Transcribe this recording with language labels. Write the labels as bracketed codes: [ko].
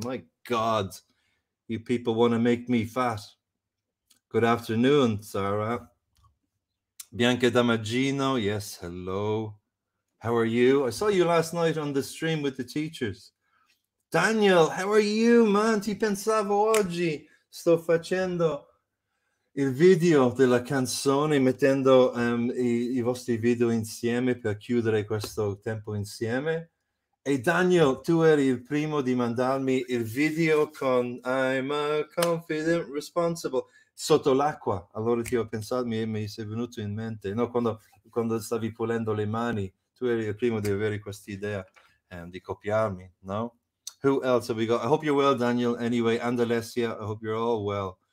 [en] My God, you people want to make me fat. Good afternoon, Sarah. Bianca Damagino, yes, hello. How are you? I saw you last night on the stream with the teachers. Daniel, how are you, man? [it] Ti pensavo oggi. Sto facendo il video della canzone, mettendo i vostri video insieme per chiudere questo tempo insieme. E Daniel, tu eri il primo di mandarmi il video con [en] I'm a Confident Responsible [it] sotto l'acqua. Allora ti ho pensato, mi sei venuto in mente, no? Quando stavi pulendo le mani, tu eri il primo di avere questa idea di copiarmi, no? [en] Who else have we got? I hope you're well, Daniel. Anyway, and Alessia, I hope you're all well.